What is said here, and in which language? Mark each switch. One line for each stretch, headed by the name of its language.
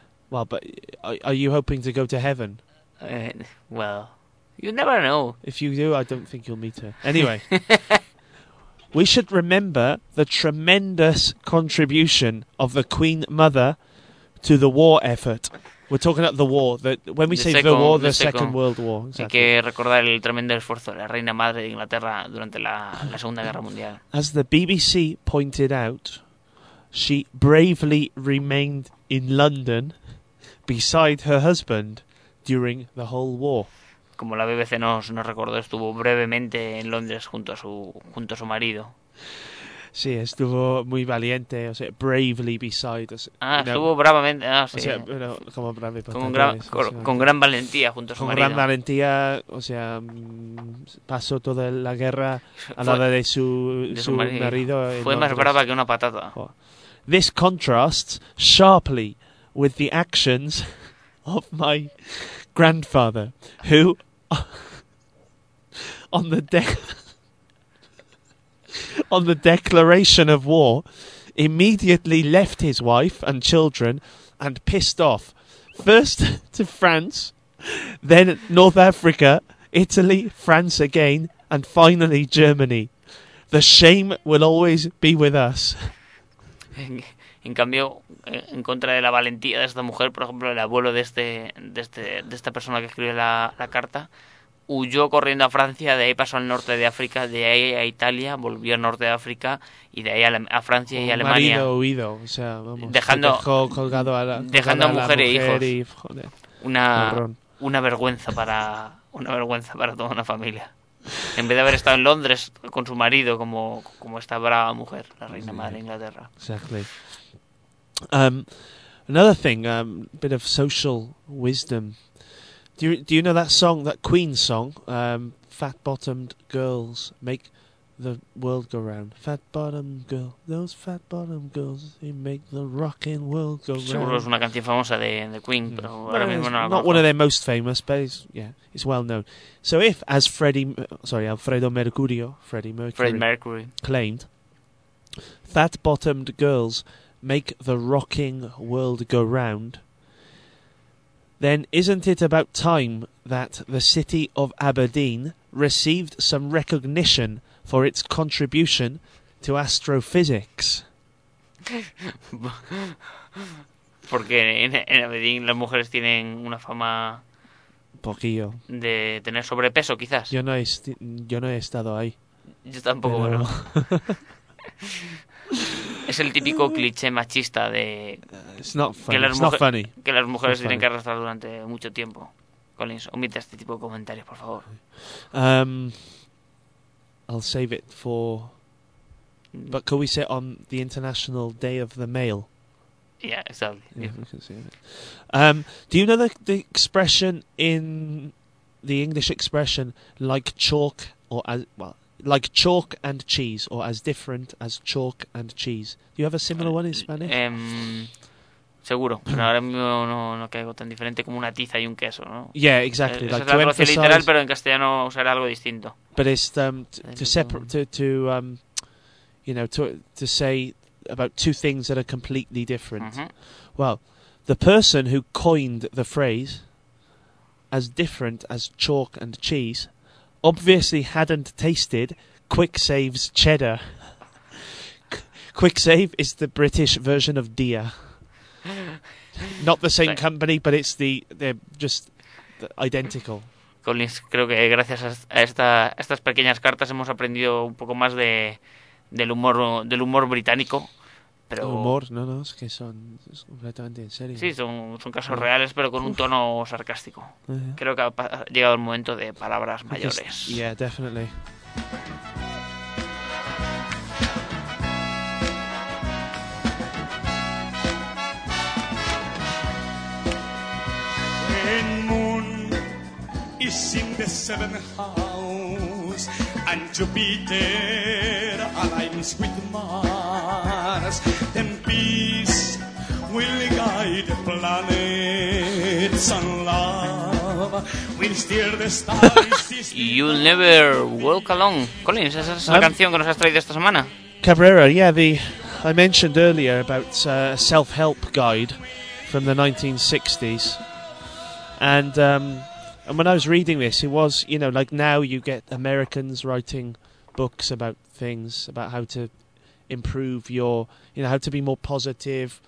English: Well, but are you hoping to go to heaven? Well, you never know. If you do, I don't think you'll meet her. Anyway, we should remember the tremendous contribution of the Queen Mother to the war effort. We're talking about the war. When we say the war, the Second World War. Exactly.
Spanish: Hay que recordar el tremendo esfuerzo de la Reina Madre de Inglaterra durante la Segunda Guerra Mundial. As the BBC pointed out, she bravely remained in London beside her husband during the whole war. Como la BBC nos recordó, estuvo brevemente en Londres junto a su marido. Sí, estuvo muy valiente, o sea,
English: bravely beside.
Spanish: Estuvo bravamente, sí. O sea, bueno, como bravamente. Con gran valentía junto a su marido. Con gran valentía, o sea, pasó toda la guerra al lado de su marido. Fue más brava que una patata.
English: This contrasts sharply with the actions of my grandfather, who, on the deck... on the declaration of war, immediately left his wife and children and pissed off. First to France, then North Africa, Italy, France again, and finally Germany. The shame will always be with us.
Spanish: En cambio, en contra de la valentía de esta mujer, por ejemplo, el abuelo de esta persona que escribió la carta... huyó corriendo a Francia, de ahí pasó al norte de África, de ahí a Italia, volvió al norte de África y de ahí a Francia y a Alemania. Marido huido, o sea, vamos, dejando a mujer e hijos. Joder, una vergüenza para toda una familia. En vez de haber estado en Londres con su marido como esta brava mujer, la reina madre de Inglaterra.
English: Exactly. Another thing, a bit of social wisdom. Do you know that song, that Queen song, Fat Bottomed Girls Make the World Go Round? Fat Bottomed Girl, those Fat Bottomed Girls, they make the rocking world go round.
Spanish: Seguro es una canción famosa de Queen, pero ahora mismo no la conozco.
English: Not one of their most famous, but it's well known. So if, as Freddie Mercury claimed, Fat Bottomed Girls Make the Rocking World Go Round, then isn't it about time that the city of Aberdeen received some recognition for its contribution to astrophysics?
Spanish: Porque en Aberdeen las mujeres tienen una fama... poquillo. De tener sobrepeso, quizás. Yo no he estado ahí. Yo tampoco, pero... bueno. Es el típico cliché machista de que las mujeres tienen que arrastrar durante mucho tiempo. Collins, omite este tipo de comentarios, por favor.
English: I'll save it for... But could we say on the International Day of the Male? Yeah, exactly. Do you know the expression in the English expression like chalk or as well? Like chalk and cheese, or as different as chalk and cheese. Do you have a similar one in Spanish?
Spanish: Seguro. Pero ahora mismo no caigo tan diferente como una tiza y un queso, ¿no?
English: Yeah, exactly.
Spanish: Es la traducción literal, pero en castellano usará algo distinto.
English: But it's to say about two things that are completely different. Uh-huh. Well, the person who coined the phrase as different as chalk and cheese obviously hadn't tasted Quicksave's cheddar. Quicksave is the British version of Dia. Not the same company, but it's they're just identical.
Spanish: Collins, creo que gracias a estas pequeñas cartas hemos aprendido un poco más del humor británico. Pero... humor, no, es que es completamente en serio. Sí, son casos reales, pero con un tono sarcástico. Uh-huh. Creo que ha llegado el momento de palabras mayores.
English: Yeah, definitely. When Moon is in the seventh house and Jupiter aligns with Mars, then peace will guide the planets and love will steer the stars. You'll never walk alone.
Spanish: Colin, esa es la canción que nos has traído esta semana.
English: Cabrera, yeah, I mentioned earlier about a self-help guide from the 1960s. And when I was reading this, it was, you know, like now you get Americans writing books about things, about how to improve your, you know, how to be more positive,